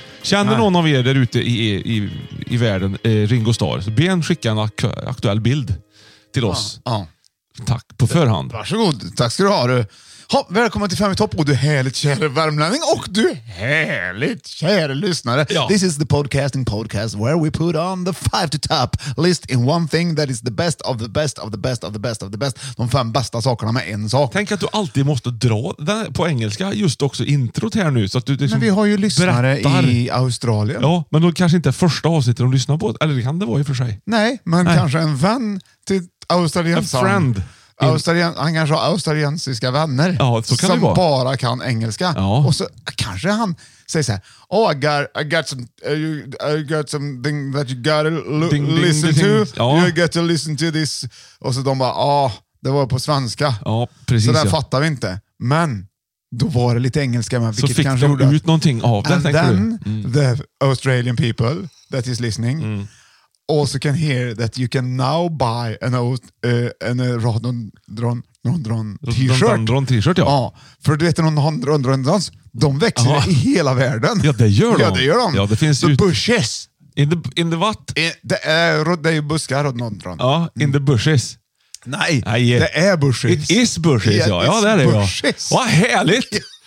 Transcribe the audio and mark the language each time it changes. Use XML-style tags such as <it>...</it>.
<sv>Känner någon av er där ute i världen, Ringo Starr, så be en skicka en aktuell bild till oss. Ja. Tack på förhand. Varsågod. Tack ska du ha. Välkommen till Fem i topp, och du härligt kära värmlänning, och du härligt kära lyssnare. Ja.</sv> <en>This is the podcasting podcast where we put on the five to top list in one thing that is the best of the best of the best of the best of the best.</en> <sv>De fem bästa sakerna med en sak. Tänk att du alltid måste dra den på engelska just också introt här nu. Så att du liksom, men vi har ju lyssnare berättar. I Australien. Ja, men då kanske inte första avsnittet de lyssnar på. Eller kan det vara i och för sig? Nej, men nej. Kanske en vän till Australien.</sv> <en>A friend.</en> <sv>Han kanske har australiensiska vänner så kan som bara kan engelska. Ja. Och så kanske han säger så här:</sv> <en>"Oh, I got something that you gotta listen to.</en> <sv>Ja.</sv> <en>You got to listen to this."</en> <sv>Och så de bara, "Ah, det var på svenska." Ja, precis. Så ja. Där fattar vi inte. Men då var det lite engelska, men så fick de ut någonting av det.</sv> <en>And then the Australian people that is listening also can hear that you can now buy a Rodron t-shirt.</en> <sv>Ja. För du vet, de växer i hela världen. Ja, det gör de. Ja, det gör de. Ja, det finns</sv> <en>the bushes. In the what?</en> <sv>Det är ju buskar, Rodron.</sv> <en>Ja, in the bushes.</en> <sv>Nej, det är bushes.</sv> <en>It is bushes, yeah,</en> <sv>ja. Ja, det är det. Vad härligt!</sv>